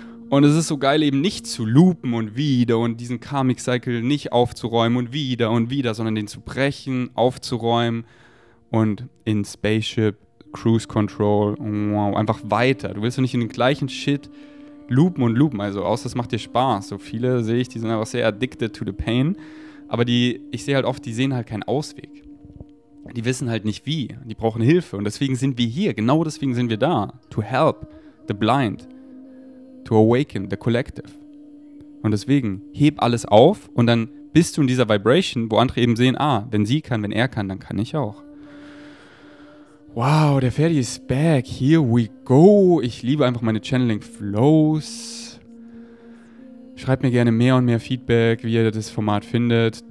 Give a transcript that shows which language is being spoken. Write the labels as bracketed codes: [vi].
[de] Und es ist so geil, eben nicht zu loopen und wieder und diesen Karmic Cycle nicht aufzuräumen und wieder, sondern den zu brechen, aufzuräumen und in Spaceship Cruise Control, wow, einfach weiter. Du willst doch nicht in den gleichen Shit loopen und loopen, also außer es macht dir Spaß. So viele sehe ich, die sind einfach sehr [en] addicted to the pain, [de] aber die, ich sehe halt oft, die sehen halt keinen Ausweg. Die wissen halt nicht wie, die brauchen Hilfe und deswegen sind wir hier, genau deswegen sind wir da. [en] To help the blind, to awaken the collective. [de] Und deswegen heb alles auf und dann bist du in dieser Vibration, wo andere eben sehen, wenn sie kann, wenn er kann, dann kann ich auch. Wow, der Ferdi ist back. [en] Here we go. [de] Ich liebe einfach meine Channeling Flows. Schreibt mir gerne mehr und mehr Feedback, wie ihr das Format findet.